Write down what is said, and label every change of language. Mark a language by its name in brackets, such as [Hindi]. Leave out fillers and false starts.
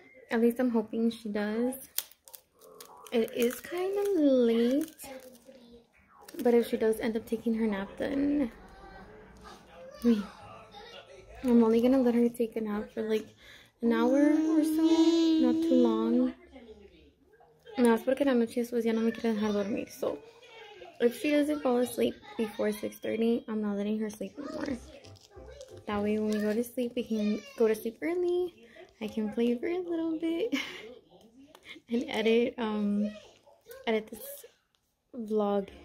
[English] At least I'm hoping she does. It is kind of late. But if she does end up taking her nap, then... I'm only gonna let her take a nap for like an hour or so, not too long. [Spanish] No, es porque la noche después ya no me quiere dejar dormir. [English] So, if she doesn't fall asleep before 6:30, I'm not letting her sleep anymore. That way, when we go to sleep, we can go to sleep early. I can play for a little bit and edit this vlog.